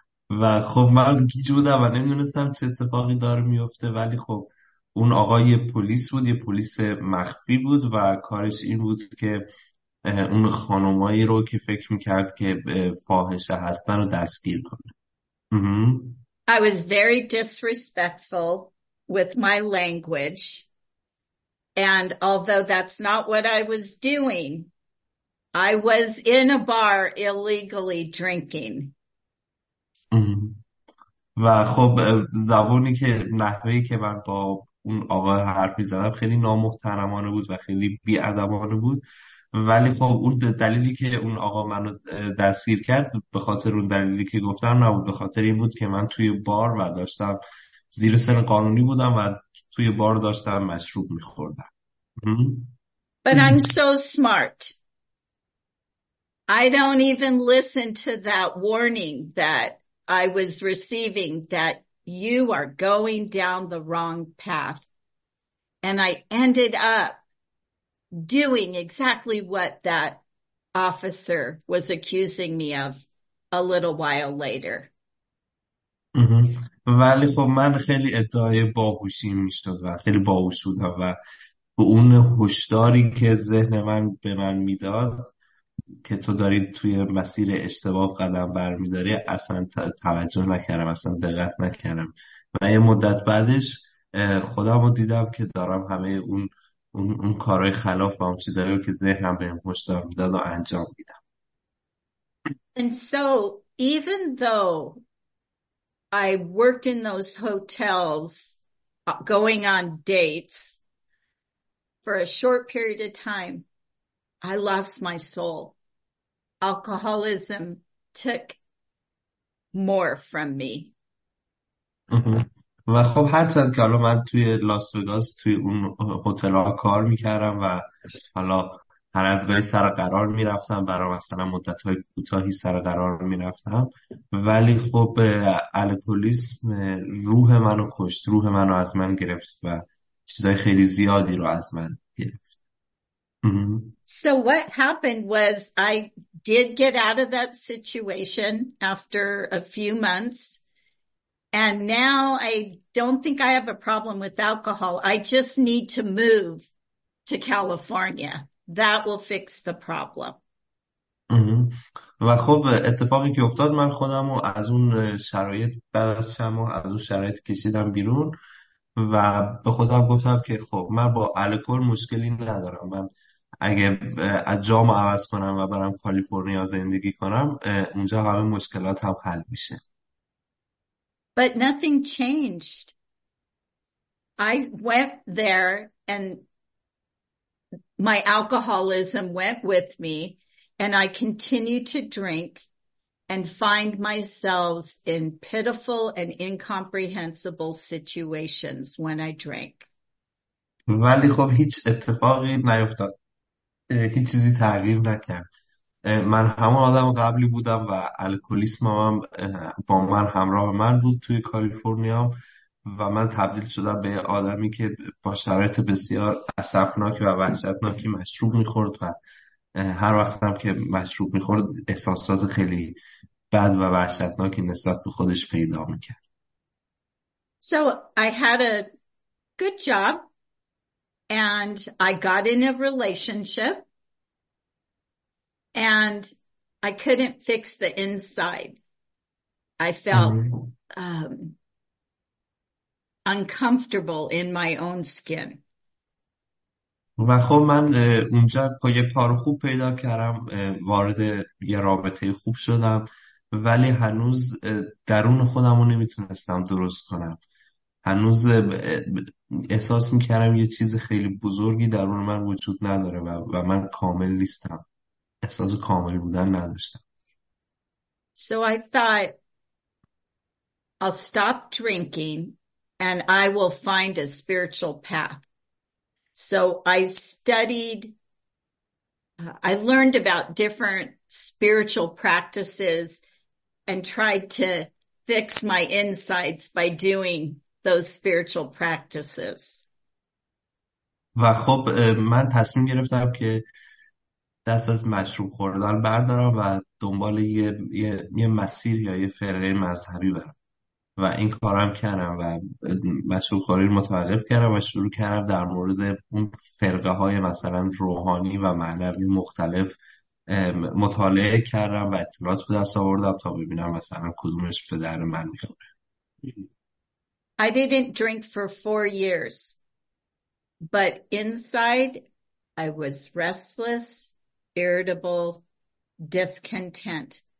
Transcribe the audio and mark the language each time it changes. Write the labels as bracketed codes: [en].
[fa] و خب من گیج بودم و نمیدونستم چه اتفاقی داره میفته، ولی خب اون آقای پلیس بود، یه پلیس مخفی بود و کارش این بود که اون خانمایی رو که فکر میکرد که فاحشه هستن رو دستگیر کنه. [en] I was very disrespectful with my language, and although that's not what I was doing, I was in a bar illegally drinking. [fa] و خب زبونی که نحوهی که من با اون آقا حرفی زدم خیلی نامحترمانه بود و خیلی بیادبانه بود، ولی خب اون دلیلی که اون آقا منو دستگیر کرد به خاطر اون دلیلی که گفتم نبود، به خاطر این بود که من توی بار و داشتم زیر سن قانونی بودم و توی بار داشتم مشروب میخوردم. [en] But I'm so smart. I don't even listen to that warning that I was receiving that you are going down the wrong path. And I ended up doing exactly what that officer was accusing me of a little while later. [fa] ولی خب من خیلی ادعای باهوشی میشد و خیلی باهوش بودم و به اون هشداری که ذهن من به من میداد که تو داری توی مسیر اشتباه قدم برمیداری اصلا توجه نکردم، اصلا دقت نکردم و یه مدت بعدش خودم رو دیدم که دارم همه اون کارهای خلاف و اون چیزایی رو که ذهنم به من هشدار میداد و انجام میدم. [en] And so even though I worked in those hotels going on dates for a short period of time, I lost my soul. Alcoholism took more from me. [fa] و خب هر چند که حالا من توی لاس وگاس توی اون هتل ها کار میکردم و حالا هر از گاهی سر قرار میرفتم، برای مثلا مدت های کوتاهی سر قرار میرفتم، ولی خب الکلیسم روح منو کشت، روح منو از من گرفت و چیزای خیلی زیادی رو از من گرفت. [en] So what happened was I did get out of that situation after a few months. And now I don't think I have a problem with alcohol. I just need to move to California. That will fix the problem. [fa] و خب اتفاقی که افتاد، من خودم رو از اون شرایط بعد از چند ماه از اون شرایط کشیدم بیرون و به خودم گفتم که خب من با الکل مشکلی ندارم، من اگه از جام عوض کنم و برم کالیفرنیا زندگی کنم اونجا همه مشکلات هم حل میشه. [en] But nothing changed. I went there and my alcoholism went with me and I continued to drink and find myself in pitiful and incomprehensible situations when I drank. [fa] ولی خب هیچ اتفاقی نیفتاد، هیچ چیزی تغییر نکرد، من همون آدم قبلی بودم و الکلیسم هم با من همراه من بود توی کالیفرنیا و من تبدیل شدم به آدمی که با شرایط بسیار عصبناک و وحشتناکی مشروب میخورد و هر وقت هم که مشروب میخورد احساسات خیلی بد و وحشتناکی نسبت به خودش پیدا میکرد. [en] So I had a good job and I got in a relationship and I couldn't fix the inside. I felt uncomfortable in my own skin. [fa] و خب من اونجا یه کار خوب پیدا کردم، وارد یه رابطه خوب شدم، ولی هنوز درون خودم رو نمیتونستم درست کنم، هنوز احساس میکردم یه چیز خیلی بزرگی درون من وجود نداره و من کامل نیستم، احساس کامل بودن نداشتم. [en] So I thought, I'll stop drinking and I will find a spiritual path. So I studied, I learned about different spiritual practices and tried to fix my insides by doing those spiritual practices. [fa] و خب من تصمیم گرفتم که دست از مشروب خوردن بردارم و دنبال یه مسیر یا یه فرقه مذهبی برم و این کارم کردم و مشروب خوری متوقف کردم و شروع کردم در مورد اون فرقه های مثلا روحانی و معنوی مختلف مطالعه کردم و اطلاعات به دست آوردم تا ببینم مثلا کدومش به درد من میخوره. [en] I didn't drink for 4 years, but inside I was restless, irritable, discontent.